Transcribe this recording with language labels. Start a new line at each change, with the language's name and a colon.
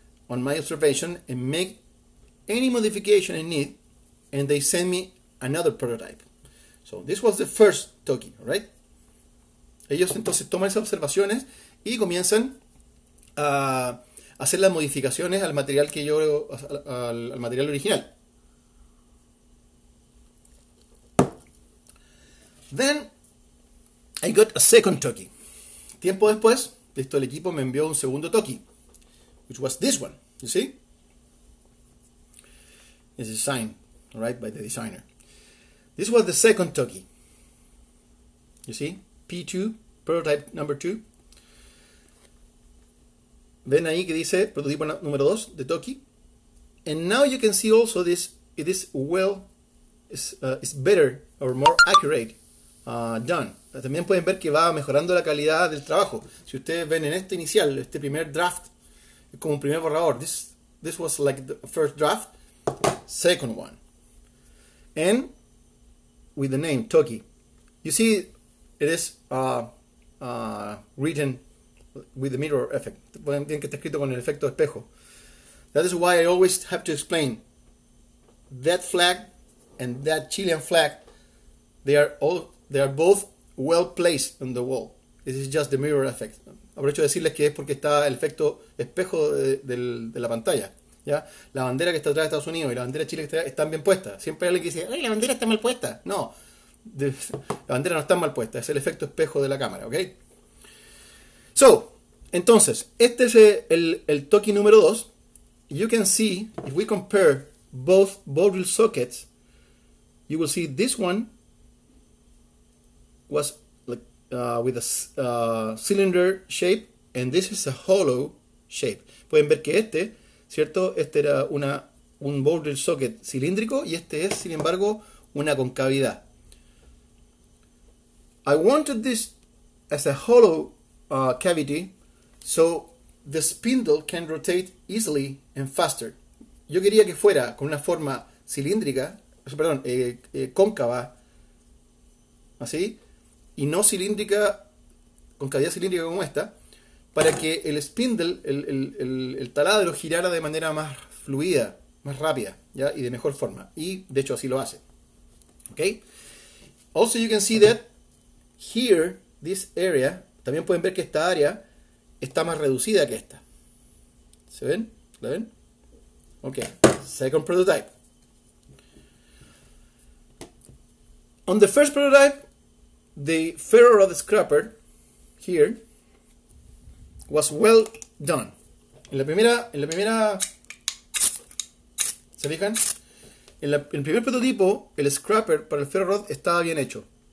English: On my observation and make any modification I need, and they send me another prototype. So this was the first Toki, right?
Spanish: Ellos entonces toman esas observaciones y comienzan a hacer las modificaciones al material que yo al material original.
English: Then I got a second Toki.
Spanish: Tiempo después, listo, el equipo me envió un segundo Toki,
English: which was this one. You see? It's a sign, right, by the designer. This was the second Toki. You see? P2, prototype number 2.
Spanish: Ven ahí que dice prototipo número 2 de Toki.
English: And now you can see also this, it is well, it's better or more accurate done.
Spanish: También pueden ver que va mejorando la calidad del trabajo. Si ustedes ven en este inicial, este primer draft, como un primer borrador.
English: This was like the first draft, second one. And with the name Toki. You see, it is written with the mirror effect.
Spanish: Tienen que estar escrito con el efecto espejo.
English: That is why I always have to explain that flag and that Chilean flag. They are both well placed on the wall. This is just the mirror effect.
Spanish: Aprovecho de decirles que es porque está el efecto espejo de la pantalla. ¿Ya? La bandera que está atrás de Estados Unidos y la bandera de Chile están bien puestas. Siempre hay alguien que dice, ¡ay, la bandera está mal puesta! No, La bandera no está mal puesta, es el efecto espejo de la cámara, ¿ok? So, entonces, este es el toki número 2.
English: You can see, if we compare both Borel sockets, you will see this one was like, with a cylinder shape, and this is a hollow shape.
Spanish: Pueden ver que este, ¿cierto? Este era un Borel socket cilíndrico, y este es, sin embargo, una concavidad.
English: I wanted this as a hollow cavity so the spindle can rotate easily and faster.
Spanish: Yo quería que fuera con una forma cilíndrica, perdón, cóncava, así, y no cilíndrica, con cavidad cilíndrica como esta, para que el spindle, el taladro, girara de manera más fluida, más rápida, ¿ya? Y de mejor forma. Y, de hecho, así lo hace. Okay.
English: Also, you can see that here, this area,
Spanish: también pueden ver que esta área está más reducida que esta. ¿Se ven? ¿La ven?
English: Okay, second prototype. On the first prototype, the ferrorod scraper here was well done.
Spanish: En la primera, ¿se fijan? En el primer prototipo, el scraper para el ferrorod estaba bien hecho.